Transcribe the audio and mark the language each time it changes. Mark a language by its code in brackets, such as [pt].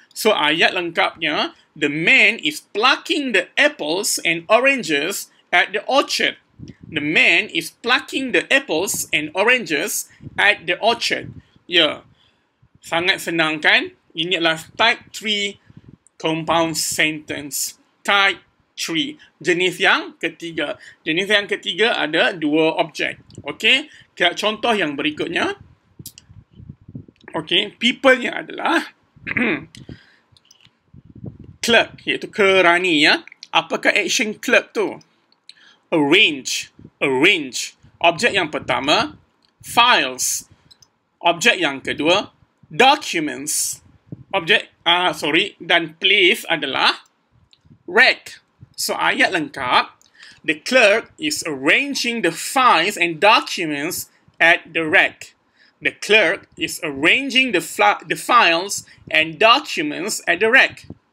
[ms] So, ayat lengkapnya, [en] the man is plucking the apples and oranges at the orchard. The man is plucking the apples and oranges at the orchard. [ms] Ya. Yeah. Sangat senang, kan? Ini adalah type 3 compound sentence. Type 3. Jenis yang ketiga. Jenis yang ketiga ada dua objek. Okay? Kita contoh yang berikutnya. Okay, people-nya adalah clerk, iaitu kerani ya. Apakah action clerk tu? Arrange, arrange. Objek yang pertama, files. Objek yang kedua, documents. Objek, sorry, dan place adalah rack. So, ayat lengkap, [en] the clerk is arranging the files and documents at the rack. The clerk is arranging the files and documents at the rack.